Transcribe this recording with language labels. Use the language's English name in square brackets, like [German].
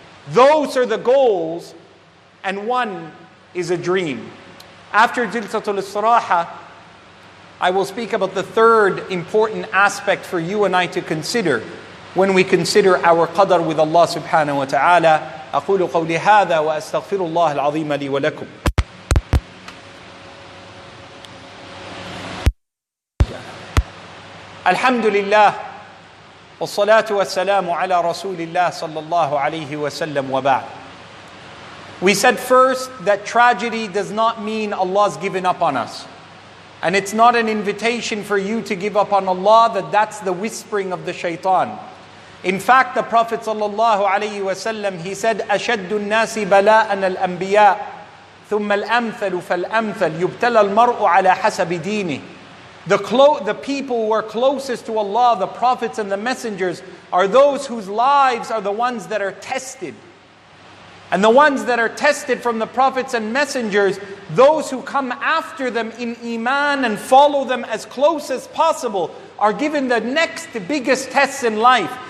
[English] Those are the goals, and one is a dream. After Jilsatul Istiraha, I will speak about the third important aspect for you and I to consider when we consider our qadr with Allah subhanahu wa ta'ala. [Arabic] أقول قولي هذا وأستغفر الله العظيم لي ولكم. الحمد لله والصلاة والسلام على رسول الله صلى الله عليه وسلم وبعد. [English] We said first that tragedy does not mean Allah's given up on us. And it's not an invitation for you to give up on Allah, that that's the whispering of the shaitan. In fact, the Prophet sallallahu alayhi wa sallam, he said, [Arabic] أَشَدُّ النَّاسِ بَلَاءً الْأَنْبِيَاءِ ثُمَّ الْأَمْثَلُ فَالْأَمْثَلُ يُبْتَلَى الْمَرْءُ عَلَى حَسَبِ دِينِهِ. [English] The people who are closest to Allah, the prophets and the messengers, are those whose lives are the ones that are tested. And the ones that are tested from the prophets and messengers, those who come after them in iman and follow them as close as possible, are given the next biggest tests in life.